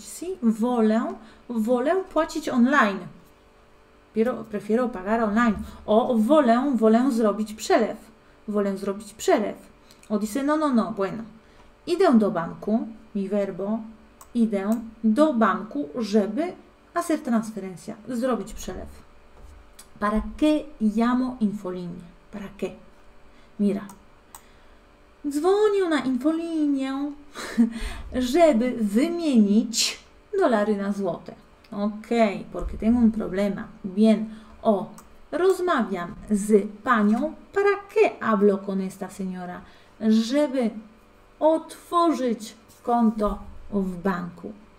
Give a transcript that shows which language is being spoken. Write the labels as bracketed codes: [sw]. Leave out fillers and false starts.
[pl] Sí, wolę płacić online. [es] Prefiero pagar online. [pl] Wolę zrobić przelew. Wolę zrobić przelew. O, [es] dice, no, no, no, bueno. [pl] Idę do banku, [es] mi verbo, [pl] idę do banku, żeby [es] hacer transferencia, [pl] zrobić przelew. [es] ¿Para qué llamo infolinię? ¿Para qué? Mira. [pl] Dzwonię na infolinię, żeby wymienić dolary na złote. [es] Ok, porque tengo un problema. Bien, [pl] rozmawiam z panią. [es] ¿Para qué hablo con esta señora? [pl] Żeby otworzyć konto w banku.